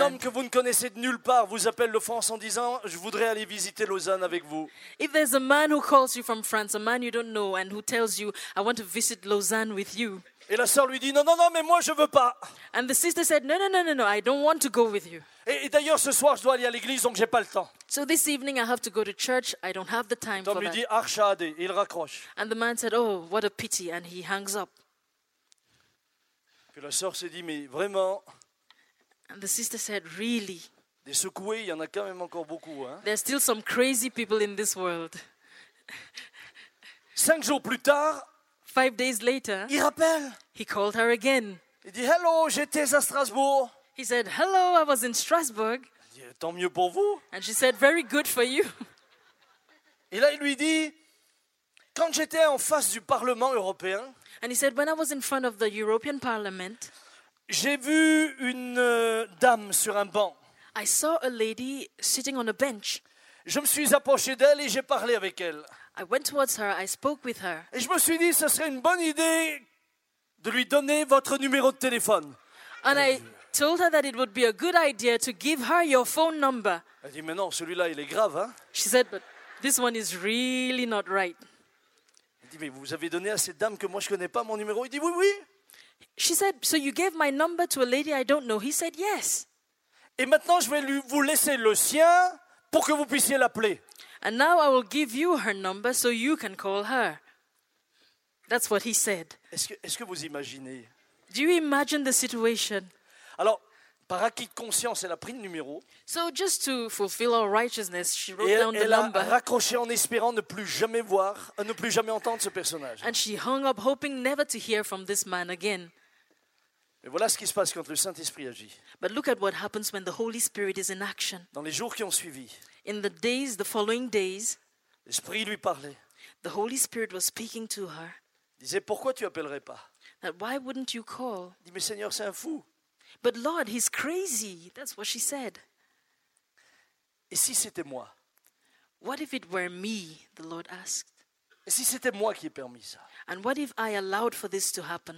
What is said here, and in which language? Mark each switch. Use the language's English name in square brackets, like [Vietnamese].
[French] Un homme que vous ne connaissez de nulle part vous appelle de France en disant, je voudrais aller visiter Lausanne avec vous. [English] If there's a man who calls you from France, a man you don't know, and who tells you, I want to visit Lausanne with you. [French] Et la sœur lui dit, non, non, non, mais moi, je ne veux pas. [English] And the sister said, no, no, no, no, no, I don't want to go with you. [French] Et d'ailleurs, ce soir, je dois aller à l'église, donc je n'ai pas le temps. [English] So this evening, I have to go to church. I don't have the time for that. [French] Lui dit, [German] ach, schade, [French] et il raccroche. [English] And the man said, oh, what a pity, and he hangs up. [French] Puis la sœur s'est dit, mais vraiment. [English] And the sister said, really. [French] Des secoués, il y en a quand même encore beaucoup. Hein? [English] There's still some crazy people in this world. [French] 5 jours plus tard, [English] 5 days later, [French] il rappelle. [English] He called her again. [French] Il dit, hello, j'étais à Strasbourg. [English] He said, hello, I was in Strasbourg. [French] Dit, tant mieux pour vous. [English] And she said, very good for you. [French] Et là, il lui dit, quand j'étais en face du Parlement européen, [English] and he said, when I was in front of the European Parliament, [French] j'ai vu une dame sur un banc. [English] I saw a lady sitting on a bench. [French] Je me suis approché d'elle et j'ai parlé avec elle. [English] I went towards her, I spoke with her. [French] Et je me suis dit, ce serait une bonne idée de lui donner votre numéro de téléphone. [English] And I told her that it would be a good idea to give her your phone number. [French] Elle dit, mais non, celui-là, il est grave, hein? [English] She said, but this one is really not right. [French] Elle dit, mais vous avez donné à cette dame que moi, je ne connais pas mon numéro. Il dit, oui, oui. [English] She said, so you gave my number to a lady I don't know. He said, yes. [French] Et maintenant, je vais vous laisser le sien pour que vous puissiez l'appeler. [English] And now I will give you her number so you can call her. That's what he said. [French] Est-ce que vous imaginez? [English] Do you imagine the situation? [French] Alors, par acquis de conscience, elle a pris le numéro. [English] So just to fulfill our righteousness, she wrote down the number. Elle a raccroché en espérant ne plus jamais voir, ne plus jamais entendre ce personnage. And she hung up hoping never to hear from this man again. [French] Mais voilà ce qui se passe quand le Saint-Esprit agit. [English] But look at what happens when the Holy Spirit is in action. [French] Dans les jours qui ont suivi. [English] In the days, the following days. [French] L'Esprit lui parlait. [English] The Holy Spirit was speaking to her. [French] Il disait, pourquoi tu appellerais pas? [English] That why wouldn't you call? [French] Il dit, mais Seigneur, c'est un fou. [English] But Lord, he's crazy. That's what she said. [French] Et si c'était moi? [English] What if it were me? The Lord asked. [French] Et si c'était moi qui ai permis ça? [English] And what if I allowed for this to happen?